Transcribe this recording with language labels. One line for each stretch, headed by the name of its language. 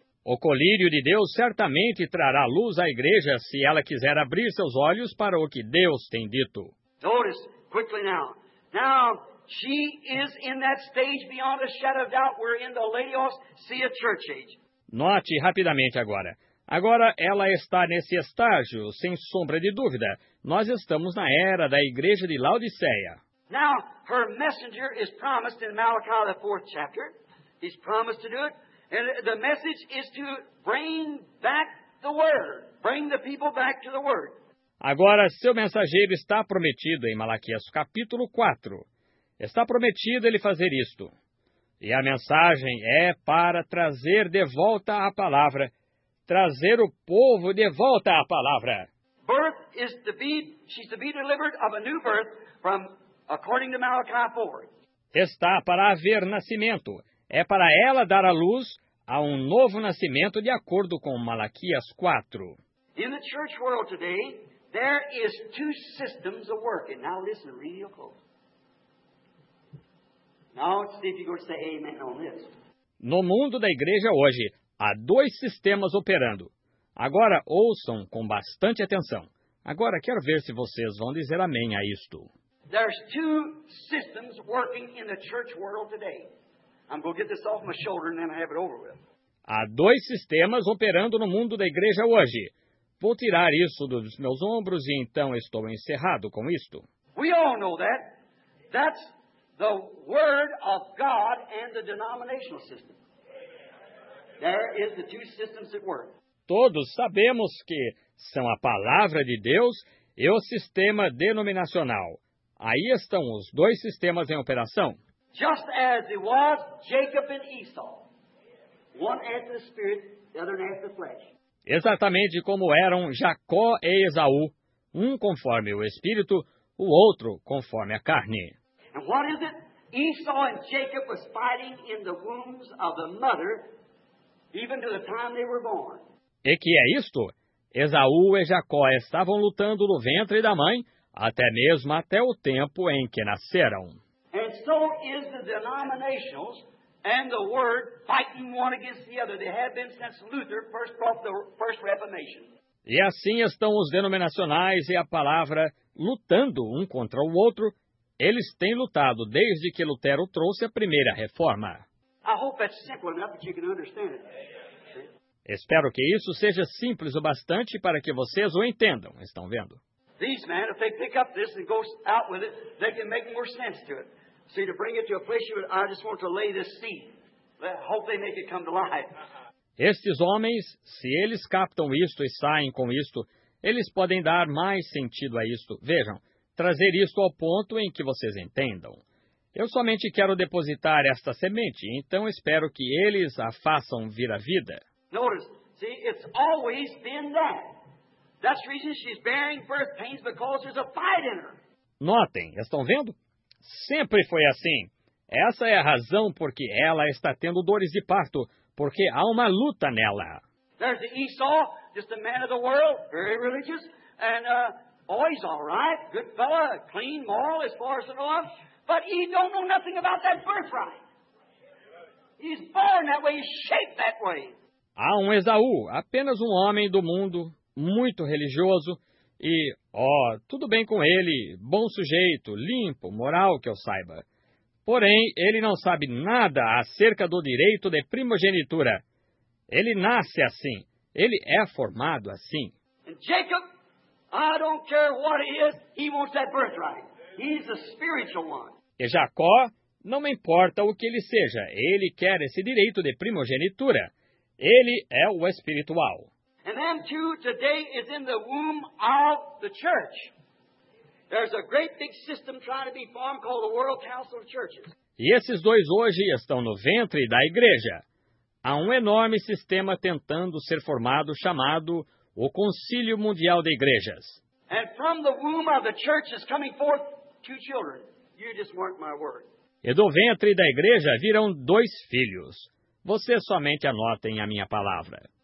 Portuguese: O colírio de Deus certamente trará luz à igreja se ela quiser abrir seus olhos para o que Deus tem dito.
English: Notice quickly now. Now, she is in that stage beyond a shadow of doubt where in the Laodicean see a church age.
Portuguese: Note rapidamente agora. Agora ela está nesse estágio, sem sombra de dúvida. Nós estamos na era da igreja de Laodiceia.
English: Now, her messenger is promised in Malachi, the fourth chapter. He's promised to do it. And the message is to bring back the word. Bring the people back to the word.
Portuguese: Agora, seu mensageiro está prometido em Malaquias capítulo 4. Está prometido ele fazer isto. E a mensagem é para trazer de volta a palavra. Trazer o povo de volta à palava.
English: Birth is to be, she's to be delivered of a new birth from, according to Malachi 4.
Portuguese: Está para haver nascimento. É para ela dar a luz a um novo nascimento de acordo com Malaquias 4.
English: In the church world today, there is two systems of working. Now listen real close. Now see if you're going to say amen on this.
Portuguese: No mundo da igreja hoje, há dois sistemas operando. Agora ouçam com bastante atenção. Agora quero ver se vocês vão dizer amém a isto.
English: There's two systems working in the church world today. I'm going to get this off my shoulder and then I have it over with.
Portuguese: Há dois sistemas operando no mundo da igreja hoje. Vou tirar isso dos meus ombros e então estou encerrado com isto.
English: We all know that. That's the word of God and the denominational system. There is the two systems at work.
Portuguese: Todos sabemos que são a palavra de Deus e o sistema denominacional. Aí estão os dois sistemas em operação.
English: Just as it was Jacob and Esau. One after the spirit, the other after the flesh.
Portuguese: Exatamente como eram Jacó e Esaú, um conforme o espírito, o outro conforme a carne.
English: And what is it? Esau and Jacob was fighting in the wombs of the mother. Even to the time they were born.
Portuguese: E que é isto? Esaú e Jacó estavam lutando no ventre da mãe, até mesmo até o tempo em que nasceram.
English: And so is the denominations and the word fighting one against the other. They have been since Luther first brought the first Reformation.
Portuguese: E assim estão os denominacionais e a palavra lutando um contra o outro. Eles têm lutado desde que Lutero trouxe a primeira reforma.
English: I hope that's simple enough that you can understand it.
Portuguese: Espero que isso seja simples o bastante para que vocês o entendam. Estão vendo?
English: These men, if they pick up this and go out with it, they can make more sense to it. See, to bring it to a place you would, I just want to lay this seed. I hope they make it come to life.
Portuguese: Estes homens, se eles captam isto e saem com isto, eles podem dar mais sentido a isto. Vejam, trazer isto ao ponto em que vocês entendam. Eu somente quero depositar esta semente, então espero que eles a façam vir à vida.
English: Notice, see, it's always been that. That's the reason she's bearing birth pains because there's a fight in her.
Portuguese: Notem, estão vendo? Sempre foi assim. Essa é a razão porque ela está tendo dores de parto, porque há uma luta nela.
English: There's the Esau, just a man of the world, very religious, and always all right, good fella, clean, moral, as far as I know. But he don't know nothing about that birthright. He's born that way, he's shaped that way.
Portuguese: Há um Esaú, apenas um homem do mundo, muito religioso, e, tudo bem com ele, bom sujeito, limpo, moral, que eu saiba. Porém, ele não sabe nada acerca do direito de primogenitura. Ele nasce assim, ele é formado assim.
English: And Jacob, I don't care what he is, he wants that birthright. He's a spiritual one.
Portuguese: E Jacó, não importa o que ele seja, ele quer esse direito de primogenitura. Ele é o espiritual.
English: And them two today is in the womb of the church. There's a great big system trying to be formed called the World Council of Churches.
Portuguese: E esses dois hoje estão no ventre da igreja. Há um enorme sistema tentando ser formado chamado o Concílio Mundial de Igrejas.
English: And from the womb of the church is coming forth two children. You just mark my word.
Portuguese: E do ventre da igreja virão dois filhos. Você somente anota em a minha palavra.